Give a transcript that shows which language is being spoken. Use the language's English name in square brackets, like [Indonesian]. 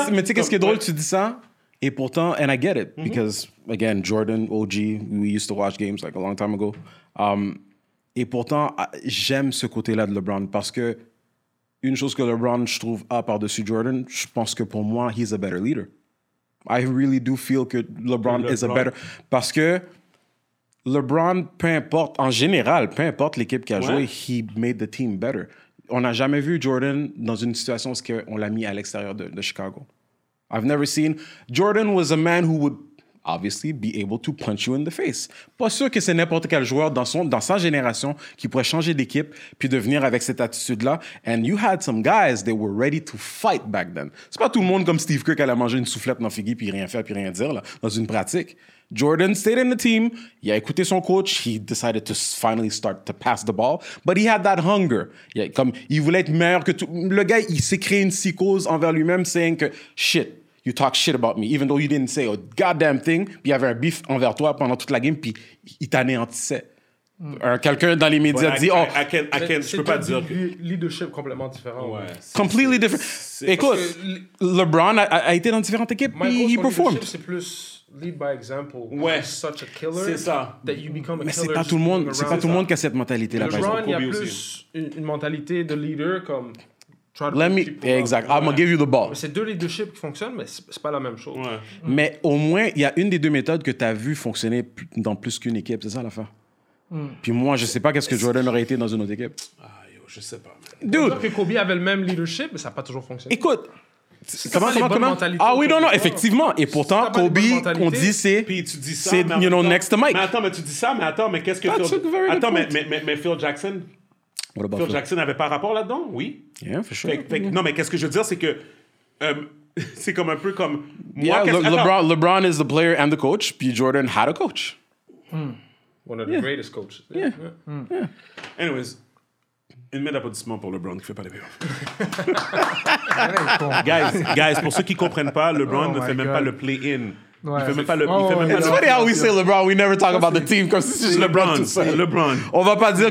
[French] Mais tu sais, qu'est-ce qui est drôle, tu dis ça? Et pourtant, [English] and I get it, mm-hmm. because, again, Jordan, OG, we used to watch games like a long time ago. [French] Et pourtant, j'aime ce côté-là de LeBron parce que une chose que LeBron, je trouve, a par-dessus Jordan, je pense que pour moi, [English] he's a better leader. I really do feel que LeBron is a better... [French] Parce que LeBron, peu importe, en général, peu importe l'équipe qui a joué, [English] he made the team better. [French] On n'a jamais vu Jordan dans une situation où on l'a mis à l'extérieur de Chicago. [English] I've never seen... Jordan was a man who would obviously be able to punch you in the face. [French] Pas sûr que c'est n'importe quel joueur dans sa génération qui pourrait changer d'équipe puis devenir avec cette attitude-là. [English] And you had some guys that were ready to fight back then. [French] C'est pas tout le monde comme Steve Kerr qui allait manger une soufflette dans Figgy puis rien faire puis rien dire là, dans une pratique. [English] Jordan stayed in the team. [French] Il a écouté son coach. [English] He decided to finally start to pass the ball. But he had that hunger. [French] Il voulait être meilleur que tout. Le gars, il s'est créé une psychose envers lui-même saying que, [English] shit, you talk shit about me. Even though you didn't say a goddamn thing. [French] Puis il y avait un beef envers toi pendant toute la game. Puis il t'anéantissait. Quelqu'un dans les médias dit, oh, je peux pas dire que... Leadership complètement différent. Ouais, [English] completely different. [French] Écoute, LeBron a été dans différentes équipes. Puis il performed. Leadership, c'est plus... [English] Lead by example. [French] Ouais. [English] You're such a killer. [French] C'est ça. [English] That you become a killer. [French] Mais c'est pas tout le monde. C'est pas tout le monde qui a cette mentalité-là. LeBron, il y a plus une mentalité de leader comme. [English] Try to Let me. Yeah, exact. I'm gonna give you the ball. [French] Mais c'est deux leadership qui fonctionnent, mais c'est pas la même chose. Ouais. Mais au moins, il y a une des deux méthodes que t'as vu fonctionner dans plus qu'une équipe. C'est ça l'affaire. Puis moi, je sais pas qu'est-ce que Jordan aurait été dans une autre équipe. Ah yo, je sais pas. [English] Dude. [French] Que Kobe avait le même leadership, mais ça a pas toujours fonctionné. Écoute. Comment? Ah oui, non, effectivement. Et pourtant, Kobe, on dit c'est. Puis tu dis ça. [English] C'est, you know, next to Mike. [French] Mais attends, mais tu dis ça, mais attends, mais qu'est-ce que. Mais Phil Jackson. [English] What about [French] Phil Jackson n'avait pas rapport là-dedans, oui. [English] Yeah, for sure. [French] Non, mais qu'est-ce que je veux dire, c'est que. C'est comme un peu comme. Moi, [English] yeah, LeBron is the player and the coach, [French] puis [English] Jordan had a coach. One of the greatest coaches. Yeah. Anyways. [French] Une main d'applaudissement pour LeBron qui ne fait pas les playoffs. guys, pour ceux qui ne comprennent pas, LeBron ne fait même pas le play-in. Il ne fait même pas le play-in. [English] That's funny how we say LeBron, we never talk about the team, [French] comme si c'est [English] LeBron. [French] LeBron. On ne va pas dire